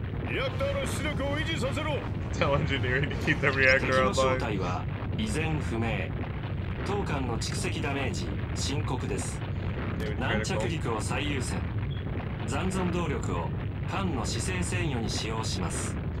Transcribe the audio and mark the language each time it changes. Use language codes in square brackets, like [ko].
[ja] リアクターの出力を維持させろ。 [en] Tell engineering to keep the reactor alive。 [ja] 敵の正体は依然不明。当艦の蓄積ダメージ深刻です。軟着陸を最優先。残存動力を艦の姿勢制御に使用します。